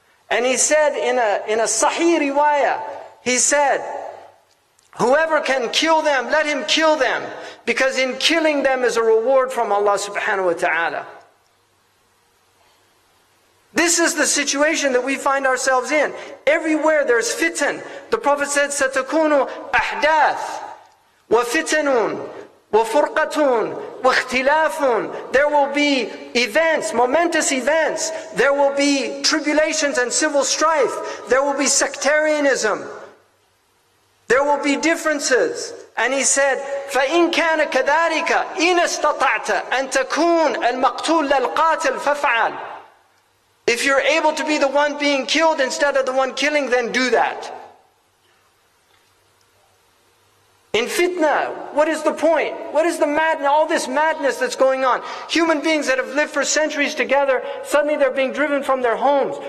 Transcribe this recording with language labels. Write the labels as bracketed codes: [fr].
[en] And he said in a Sahih riwayah, he said, whoever can kill them, let him kill them. Because in killing them is a reward from Allah subhanahu wa ta'ala. This is the situation that we find ourselves in. Everywhere there's fitan. The Prophet said, [ar] سَتَكُونُ أَحْدَاثُ وَفِتَنُونَ وَفُرْقَةٌ وَاخْتِلَافٌ. [en] There will be events, momentous events. There will be tribulations and civil strife. There will be sectarianism. There will be differences. And he said, [ar] فَإِنْ كَانَ كَذَٰلِكَ إِنَ اسْتَطَعْتَ أَنْ تَكُونَ الْمَقْتُولَ لَلْقَاتِلِ فَفْعَلْ. [en] If you're able to be the one being killed instead of the one killing, then do that. In fitna, what is the point? What is the madness, all this madness that's going on? Human beings that have lived for centuries together, suddenly they're being driven from their homes.